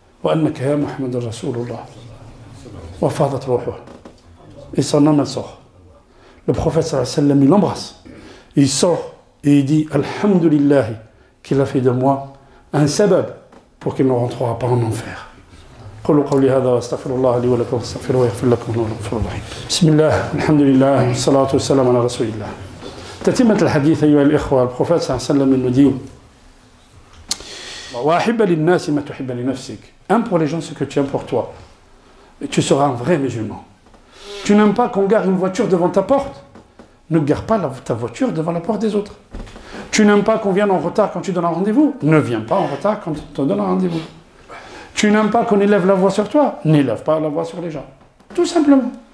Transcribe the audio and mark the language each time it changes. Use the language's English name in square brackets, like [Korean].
[Arabic] Wa annaka ya Muhammad al-Rasulullah. » [French] Et son âme sort. Le prophète sallallahu alayhi wa sallam l'embrasse. Il sort et il dit Alhamdulillah qu'il a fait de moi un sabab pour qu'il ne rentrera pas en enfer. [Arabic] قولوا قولي هذا واستغفر الله لي ولكم واستغفروه يغفر لكم وهو الغفور الرحيم. بسم الله الحمد لله والصلاة والسلام على رسول الله. تتمة الحديث أيها الإخوة البروفيت صلى الله عليه وسلم المدين وأحب للناس ما تحب لنفسك. [French] Aime pour les gens ce que tu aimes pour toi. Et tu seras un vrai musulman. Tu n'aimes pas qu'on gare une voiture devant ta porte? Ne gare pas ta voiture devant la porte des autres. Tu n'aimes pas qu'on vienne en retard quand tu donnes un rendez-vous? Ne viens pas en retard quand tu te donnes un rendez-vous. Tu n'aimes pas qu'on élève la voix sur toi? N'élève pas la voix sur les gens. Tout simplement.